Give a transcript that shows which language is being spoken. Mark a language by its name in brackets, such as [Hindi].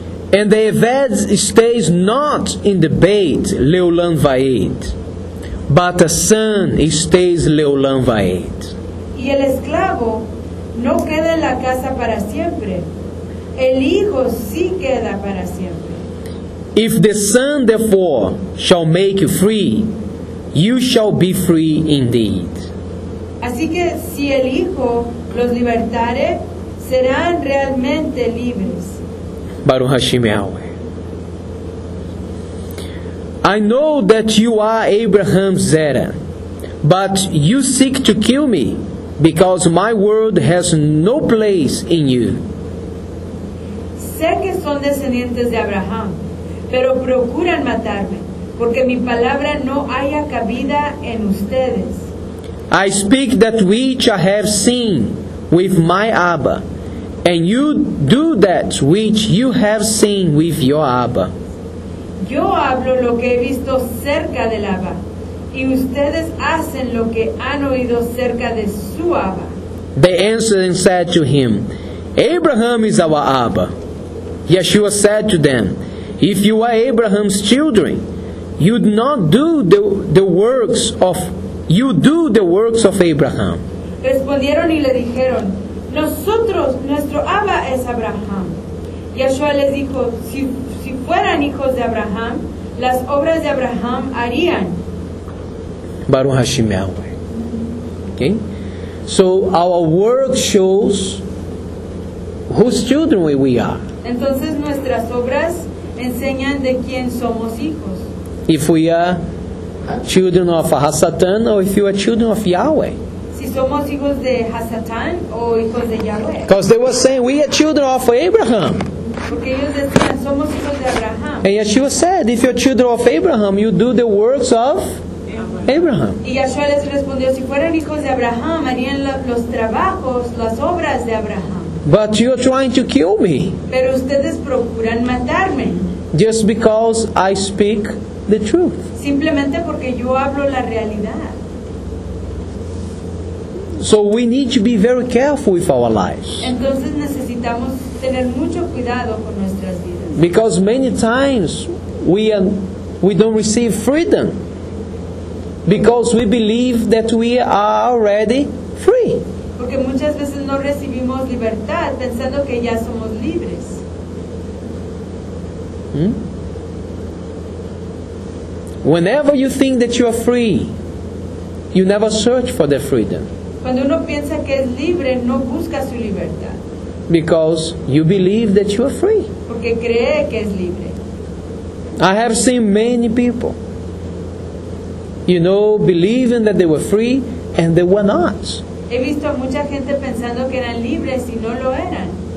[English] And the Eved stays not in the [Hebrew] Beit Leolam Vaed, [English] but the son stays [Hebrew] Leolam Vaed. [Spanish] Y el esclavo no queda en la casa para siempre. El hijo sí queda para siempre. [English] If the son therefore shall make you free, you shall be free indeed. [Spanish] Así que si el hijo los libertare, serán realmente libres. [Hebrew] Baruch Hashem Yahweh. [English] I know that you are Abraham's Zera, but you seek to kill me because my word has no place in you. [Spanish] Sé que son descendientes de Abraham, pero procuran matarme porque mi palabra no haya cabida en ustedes. [English] I speak that which I have seen with my Abba, And you do that which you have seen with your Abba. [Spanish] Yo hablo lo que he visto cerca del Abba, y ustedes hacen lo que han oído cerca de su Abba. [English] They answered and said to him, Abraham is our Abba. Yeshua said to them, If you are Abraham's children, you'd not do the works of Abraham. [Spanish] Respondieron y le dijeron, Nosotros, nuestro Abba es Abraham. Yeshua les dijo, si fueran hijos de Abraham, las obras de Abraham harían. [Hebrew] Baruch Hashem Yahweh. [English] Okay? So our work shows whose children we are. [Spanish] Entonces nuestras obras enseñan de quién somos hijos. [English] If we are children of HaSatan or if you are children of Yahweh. [Spanish] Si somos hijos de HaSatan o hijos de Yahweh. [English] Because they were saying, we are children of Abraham. [Spanish] Porque ellos decían, somos hijos de Abraham. [English] And Yeshua said, if you are children of Abraham, you do the works of Abraham. [Spanish] Y Yeshua les respondió, si fueran hijos de Abraham, harían los trabajos, las obras de Abraham. [English] But you are trying to kill me. [Spanish] Pero ustedes procuran matarme. [English] Just because I speak the truth. [Spanish] Simplemente porque yo hablo la realidad. [English] So we need to be very careful with our lives. [Spanish] Entonces necesitamos tener mucho cuidado con nuestras vidas. [English] Because many times we don't receive freedom. Because we believe that we are already free. [Spanish] Porque muchas veces no recibimos libertad pensando que ya somos libres. [English] Whenever you think that you are free, you never search for the freedom. [Spanish] Cuando uno piensa que es libre, no busca su libertad. [English] Because you believe that you are free. [Spanish] Porque cree que es libre. [English] I have seen many people, you know, believing that they were free and they were not. [Spanish] He visto a mucha gente pensando que eran libres y no lo eran.